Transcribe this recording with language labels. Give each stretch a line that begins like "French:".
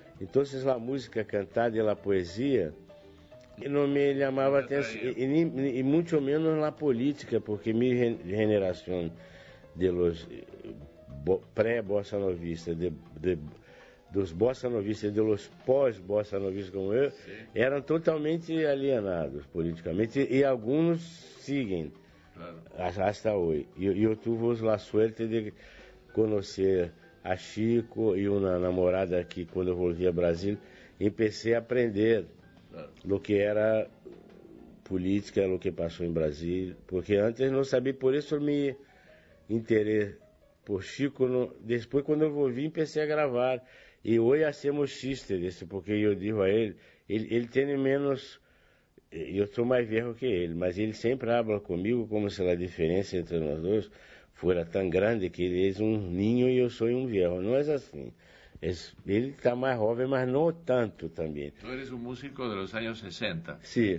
Portuguese: Então, a música cantada e a poesia não me chamava atenção, e muito menos a política, porque minha geração
Spanish: de los
Portuguese: pré-bossa novista, dos bossa novistas e dos pós-bossa novistas como eu, eram totalmente alienados politicamente, e alguns seguem.
Spanish: Claro. Hasta hoy. Yo tuve la suerte de conocer a Chico y una
Portuguese: namorada
Spanish: que cuando volví a Brasil empecé a aprender lo que era política, lo que pasó en Brasil, porque antes no sabía, por eso mi interés por Chico, no... después cuando volví empecé a grabar y hoy hacemos chiste de eso, porque yo digo a él, él tiene menos...
Portuguese: Eu sou mais velho que ele, mas ele sempre
Spanish: habla
Portuguese: comigo como se a diferença entre nós dois fosse tão grande, que ele é um ninho e eu sou um velho. Não é assim. Ele está mais jovem, mas não tanto também.
Spanish: Tu eres
Portuguese: um músico dos anos 60. Sim.